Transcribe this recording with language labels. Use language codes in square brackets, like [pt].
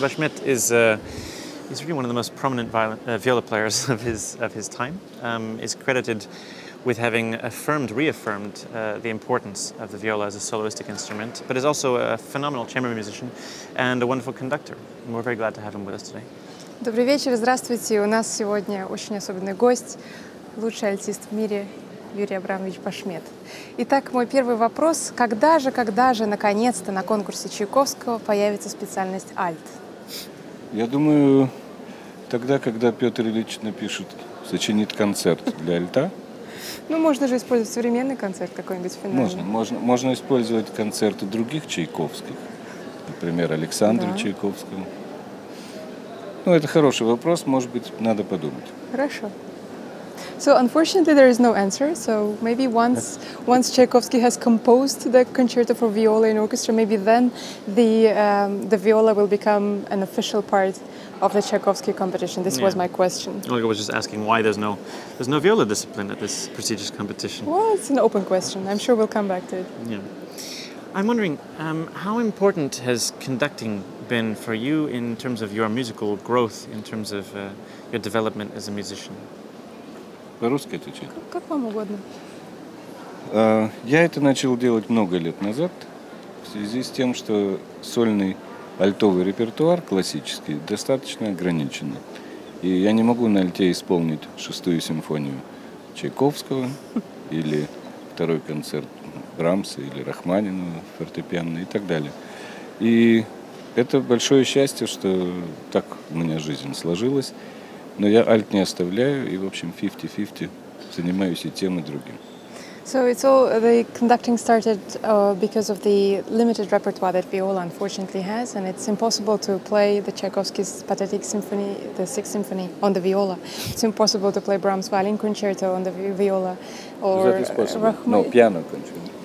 [en] Bashmet is really one of the most prominent viola players of his time. Is credited with having reaffirmed the importance of the viola as a soloistic instrument, but is also a phenomenal chamber musician and a wonderful conductor. And we're very glad to have him with us today. [ru] Добрый вечер, здравствуйте. У нас сегодня очень особенный гость, лучший альтист в мире Юрий Абрамович Башмет. Итак, мой первый вопрос: когда же, наконец-то на конкурсе Чайковского появится специальность альт? Я думаю, тогда, когда Петр Ильич напишет, сочинит концерт для альта. Ну, можно же использовать современный концерт какой-нибудь финальный. Можно использовать концерты других Чайковских, например, Александра Чайковского. Ну, это хороший вопрос, может быть, надо подумать. Хорошо. [en] So, unfortunately, there is no answer. So, maybe once Tchaikovsky has composed the concerto for viola and orchestra, maybe then the viola will become an official part of the Tchaikovsky competition. This was my question. Olga was just asking why there's no viola discipline at this prestigious competition. Well, it's an open question. I'm sure we'll come back to it. Yeah. I'm wondering, how important has conducting been for you in terms of your musical growth, in terms of your development as a musician? [ru] По-русски отвечать? Как вам угодно. Я это начал делать много лет назад, в связи с тем, что сольный альтовый репертуар классический достаточно ограничен. И я не могу на альте исполнить шестую симфонию Чайковского или второй концерт Брамса или Рахманинова фортепианно и так далее. И это большое счастье, что так у меня жизнь сложилась. Но я альт не оставляю и, в общем, 50-50 занимаюсь и тем, и другим. [en] So it's all the conducting started because of the limited repertoire that viola unfortunately has, and it's impossible to play the Tchaikovsky's Pathetic Symphony, the Sixth Symphony, on the viola. It's impossible to play Brahms' Violin Concerto on the viola, or piano concerto.